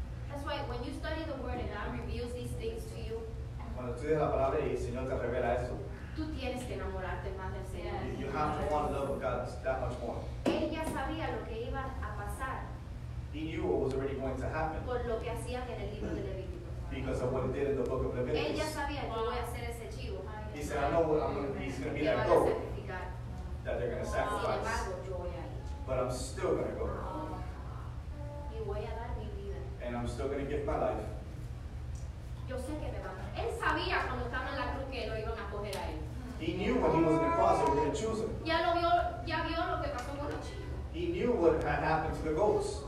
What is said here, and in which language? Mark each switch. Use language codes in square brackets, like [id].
[en] That's why when you study the word and God reveals these things to you, [es] cuando tú dices la palabra y el Señor te revela eso. Tú tienes que enamorarte más del Señor. [en] You have to want to love God that much more. [es] Él ya sabía lo que iba a pasar. [en] He knew what was already going to happen. [es] Por lo que hacía en el libro de Levítico. [en] Because of what he did in the book of Leviticus. [es] Él ya sabía que voy a hacer ese chivo. [en] He said, I know what I'm going to be. He's going to be that goat. That they're going to sacrifice. [es] Sin embargo, yo voy a ir. [en] But I'm still going to go. [es] Y voy a dar mi vida. [en] And I'm still going to give my life. [es] Yo sé que me va a dar. Él sabía cuando estaba en la cruz que lo iban a coger a él. [en] He knew when he was in the cross, they were going to choose him. [es] Ya vio lo que pasó con los chivos. [en] He knew what had happened to the goats.